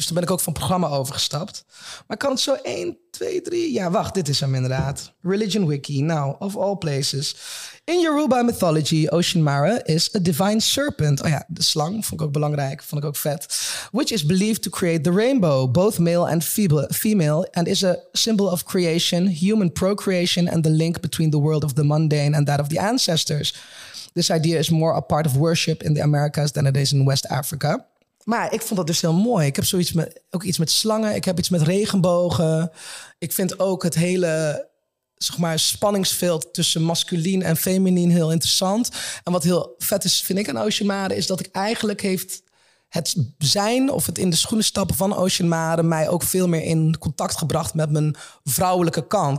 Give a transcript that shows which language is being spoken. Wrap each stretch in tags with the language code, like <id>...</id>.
<nl>Dus toen ben ik ook van programma overgestapt. Maar kan het zo 1, 2, 3... Ja, wacht, dit is hem inderdaad. Religion Wiki,</nl> <en>now, of all places. In Yoruba mythology, Ocean Mare is a divine serpent.</en> <nl>Oh ja, de slang, vond ik ook belangrijk, vond ik ook vet.</nl> <en>Which is believed to create the rainbow, both male and female, and is a symbol of creation, human procreation, and the link between the world of the mundane and that of the ancestors. This idea is more a part of worship in the Americas than it is in West Africa.</en> <nl>Maar ik vond dat dus heel mooi. Ik heb zoiets met ook iets met slangen. Ik heb iets met regenbogen. Ik vind ook het hele, zeg maar, spanningsveld tussen masculien en feminien heel interessant. En wat heel vet is, vind ik, aan Ocean Mare, is dat ik eigenlijk heeft het zijn of het in de schoenen stappen van Ocean Mare mij ook veel meer in contact gebracht met mijn vrouwelijke kant.</nl>